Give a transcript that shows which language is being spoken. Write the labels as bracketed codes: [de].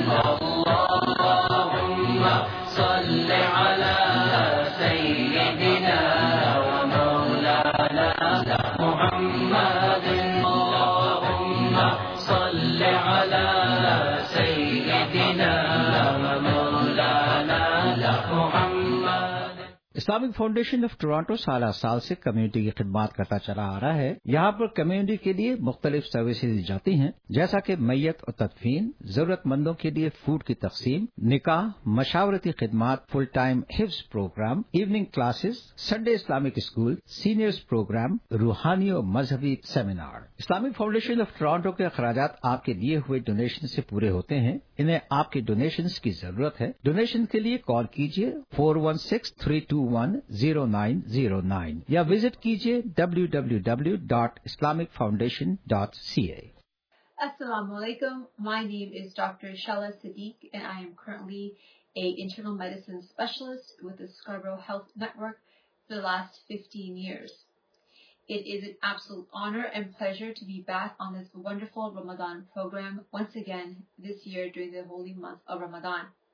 [ar] اللهم صل على سيدنا ومولانا محمد. اللهم صل على سيدنا ومولانا محمد. [ur] اسلامک فاؤنڈیشن آف ٹورانٹو سالہ سال سے کمیونٹی کی خدمات کرتا چلا آ رہا ہے. یہاں پر کمیونٹی کے لیے مختلف سروسز دی جاتی ہیں، جیسا کہ میت اور تدفین، ضرورت مندوں کے لیے فوڈ کی تقسیم، نکاح، مشاورتی خدمات، فل ٹائم حفظ programme, evening classes, Sunday Islamic school, seniors programme, روحانی اور مذہبی seminar. Islamic foundation of Toronto کے اخراجات آپ کے لیے ہوئے ڈونیشن سے پورے ہوتے ہیں. انہیں آپ کے ڈونیشن کی ضرورت ہے. ڈونیشن کے لیے کال کیجیے 416-321-0909 یا وزٹ کیجیے www.islamicfoundation.ca. [en] Assalamu alaikum. My name is Dr. Shala Sadiq and I am currently a internal medicine specialist with the Scarborough Health Network for the last 15 years. It is an absolute honor and pleasure to be back on this wonderful Ramadan program once again this year during the holy month of Ramadan.